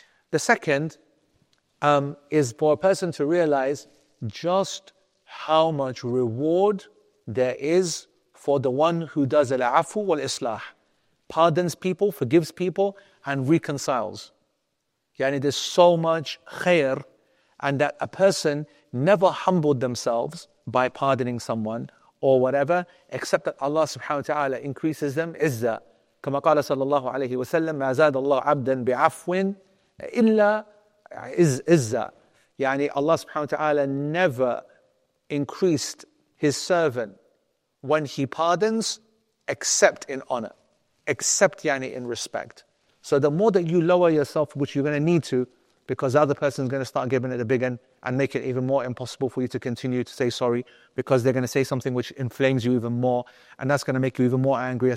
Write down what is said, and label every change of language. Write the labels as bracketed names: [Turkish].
[English] The second is for a person to realize just how much reward there is for the one who does al-afu wal-islah, pardons people, forgives people, and reconciles. Yani, there's so much khair, and that a person never humbled themselves by pardoning someone or whatever, except that Allah subhanahu wa ta'ala increases them izzah. [Arabic] كما قال صلى الله عليه وسلم ما زاد الله عبدا بعفو إلا إزَّة. [English] يعني Allah subhanahu wa ta'ala never increased his servant when he pardons except in honor, except يعني in respect. So the more that you lower yourself, which you're going to need to, because the other person is going to start giving it a big end and make it even more impossible for you to continue to say sorry, because they're going to say something which inflames you even more, and that's going to make you even more angrier.